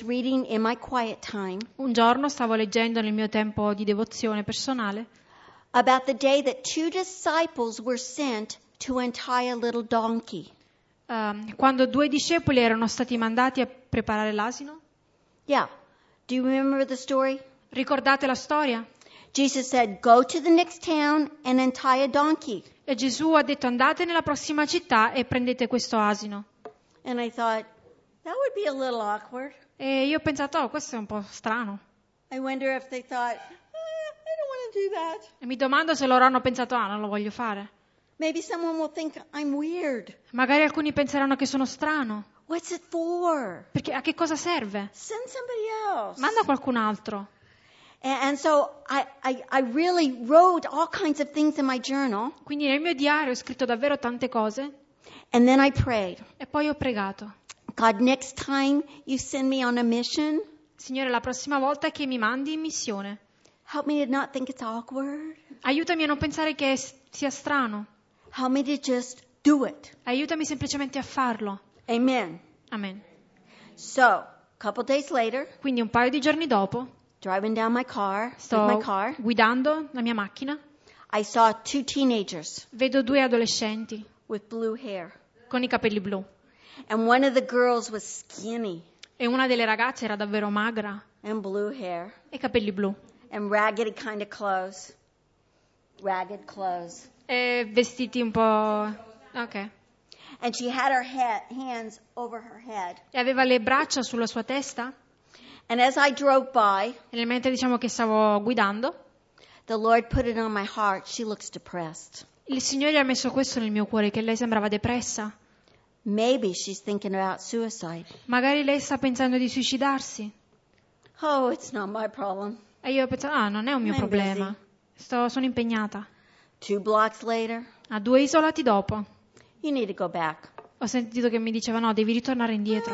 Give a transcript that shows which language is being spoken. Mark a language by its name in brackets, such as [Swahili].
[Italian] Un giorno stavo leggendo nel mio tempo di devozione personale. [English] About the day that two disciples were sent to untie a little donkey. [Italian] Quando due discepoli erano stati mandati a preparare l'asino. [English] Yeah. Do you remember the story? [Italian] Ricordate la storia? [English] Jesus said, go to the next town and untie a donkey. [Italian] E Gesù ha detto andate nella prossima città e prendete questo asino. [English] And I thought, that would be a little awkward. [Italian] E io ho pensato, oh, questo è un po' strano. [English] I wonder if they thought, I don't want to do that. [Italian] E mi domando se loro hanno pensato, ah, non lo voglio fare. [English] Maybe someone will think I'm weird. [Italian] Magari alcuni penseranno che sono strano. [English] What's it for? [Italian] Perché a che cosa serve? [English] Send somebody else. [Italian] Manda qualcun altro. [English] And so I really wrote all kinds of things in my journal. [Italian] Quindi nel mio diario ho scritto davvero tante cose. [English] And then I prayed. [Italian] E poi ho pregato. [English] God, next time you send me on a mission. [Italian] Signore, la prossima volta che mi mandi in missione. [English] Help me to not think it's awkward. [Italian] Aiutami a non pensare che sia strano. [English] Help me to just do it. [Italian] Aiutami semplicemente a farlo. [English] Amen. [Italian] Amen. [English] So, couple days later. [Italian] Quindi un paio di giorni dopo. [English] Driving down my car. [Italian] Sto [English] with my car, [Italian] guidando la mia macchina. [English] I saw two teenagers. [Italian] Vedo due adolescenti. [English] With blue hair. [Italian] Con i capelli blu. [English] And one of the girls was skinny. [Italian] E una delle ragazze era davvero magra. [English] And blue hair. [Italian] E capelli blu. [English] And raggedy kind of clothes. Ragged clothes. [Italian] E vestiti un po'. Okay. [English] And she had her head, hands over her head. [Italian] E aveva le braccia sulla sua testa. [English] And as I drove by, [Italian] e mentre diciamo che stavo guidando, [English] the Lord put it on my heart. She looks depressed. [Italian] Il Signore ha messo questo nel mio cuore, che lei sembrava depressa. Maybe she's thinking about suicide. Magari lei sta pensando di suicidarsi. Oh, it's not my problem. E io ho pensato, ah, non è un mio problema. Sono impegnata. [English] Two blocks later, [Italian] a due isolati dopo, [English] you need to go back. [Italian] Ho sentito che mi diceva, no, devi ritornare indietro.